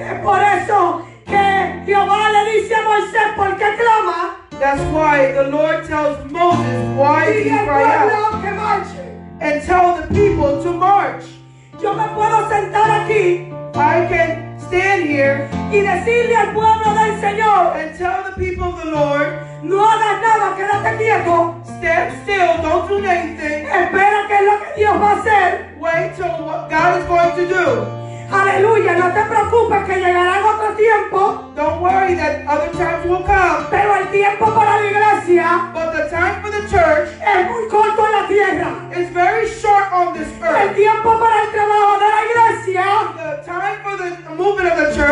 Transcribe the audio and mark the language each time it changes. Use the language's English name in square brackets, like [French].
[Spanish] Es por eso que Jehová le dice a Moisés, ¿por qué clama? [English] That's why the Lord tells Moses, why do you cry out? And tell the people to march. [Spanish] Yo me puedo sentar aquí, [English] I can stand here, [Spanish] y decirle al pueblo del Señor, [English] and tell the people of the Lord, [Spanish] no hagas nada, quédate quieto. [English] Stand still, don't do anything. [Spanish] Espera que es lo que Dios va a hacer. [English] Wait till what God is going to do. [Spanish] Aleluya, no te preocupes que llegarán otro tiempo. [English] Don't worry that other times will come. [Spanish] Pero el tiempo para la iglesia, [English] but the time for the church, [Spanish] es muy corto en la tierra. [English] It's very short on this earth. [Spanish] El tiempo para el trabajo de la iglesia, [English] the time for the movement of the church,